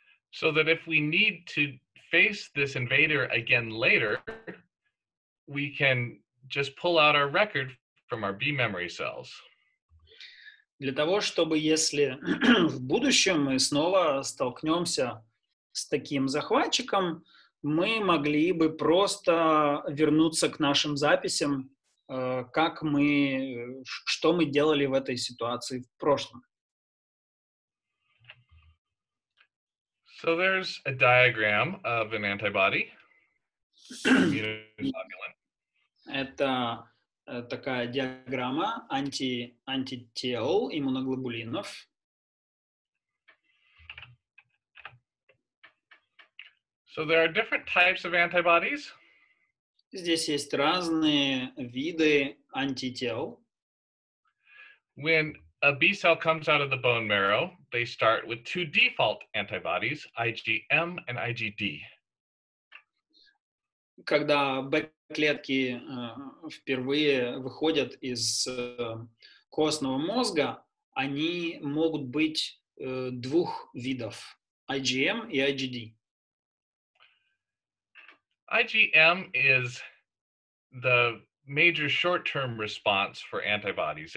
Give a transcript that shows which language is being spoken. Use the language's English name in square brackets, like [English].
[English] So that if we need to face this invader again later, we can just pull out our record from our B memory cells. [Russian] Для того, чтобы если в будущем мы снова столкнемся с таким захватчиком, мы могли бы просто вернуться к нашим записям, как мы, что мы делали в этой ситуации в прошлом. [English] So there's a diagram of an antibody. [Russian] Это такая диаграмма антител иммуноглобулинов. [English] So there are different types of antibodies. [Russian] Здесь есть разные виды антител. [English] When a B cell comes out of the bone marrow, they start with two default antibodies, IgM and IgD. [Russian] Когда B-клетки впервые выходят из костного мозга, они могут быть двух видов, IgM и IgD. [English] IgM is the major short-term response for antibodies.